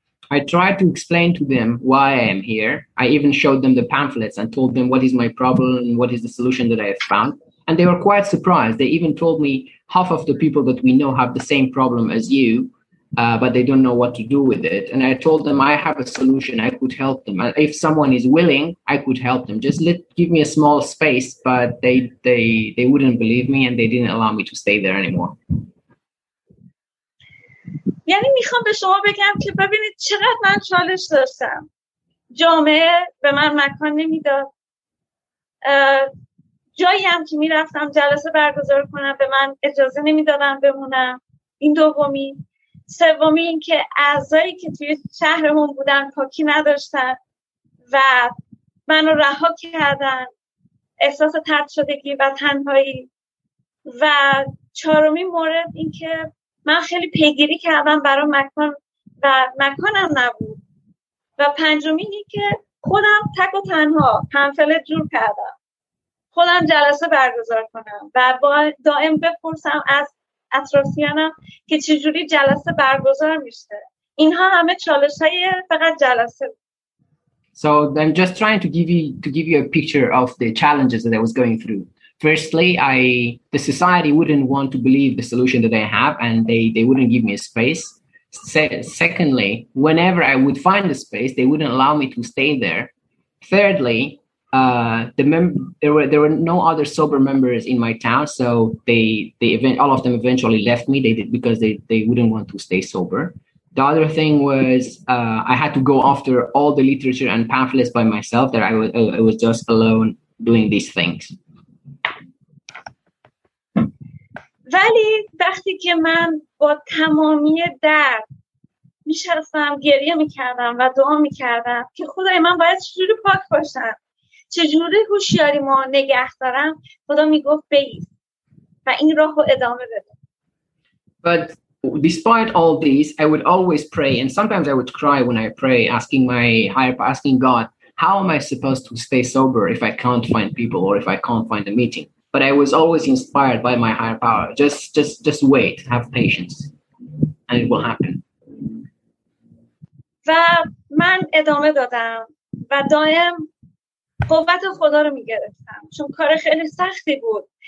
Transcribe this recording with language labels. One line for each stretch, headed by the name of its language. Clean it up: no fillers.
English: I tried to explain to them why I am here. I even showed them the pamphlets and told them what is my problem and what is the solution that I have found. And they were quite surprised. They even told me half of the people that we know have the same problem as you, but they don't know what to do with it. And I told them I have a solution. I could help them. If someone is willing, I could help them. Just give me a small space, but they wouldn't believe me and they didn't allow me to stay there anymore.
Persian: یعنی میخوام به شما بگم که ببینید چقدر من چالش داشتم. جامعه به من مکان نمیداد. جایی هم که میرفتم جلسه برگزار کنم به من اجازه نمیدادن بمونم. این دومی. سومی این که اعضایی که توی شهرمون بودن پاکی نداشتن و منو رها کردن. احساس طردشدگی و تنهایی. و چهارمی مورد این که من خیلی پیگیری کردم برای مکان و مکانم نبود. و پنجمی این که خودم تک و تنها پنفلت جور کردم. خودم جلسه برگزار کنم و با دائم بپرسم از اطرافیانم که چجوری جلسه برگزار میشه. اینها همه چالش های فقط جلسه بود.
English: So I'm just trying to give you a picture of the challenges that I was going through. firstly, the society wouldn't want to believe the solution that I have, and they wouldn't give me a space. Secondly, whenever I would find a space, they wouldn't allow me to stay there. Thirdly, there were no other sober members in my town, so all of them eventually left me. They wouldn't want to stay sober. The other thing was I had to go after all the literature and pamphlets by myself. That I was just alone doing these things.
Persian: ولی وقتی که من با تمامی درد میشستم گریه میکردم و دعا میکردم که خدای من باید چجوری پاک باشم، چجوری هوشیاری ما نگه دارم، خدا میگفت بیست و این راه رو ادامه بده.
English: But despite all this, I would always pray, and sometimes I would cry when I pray, asking God, how am I supposed to stay sober if I can't find people or if I can't find a meeting? But I was always inspired by my higher power. Just wait, have patience, and it will happen.
Persian: و من ادامه دادم و دائم قوت خدا رو میگرفتم چون کار خیلی سختی بود.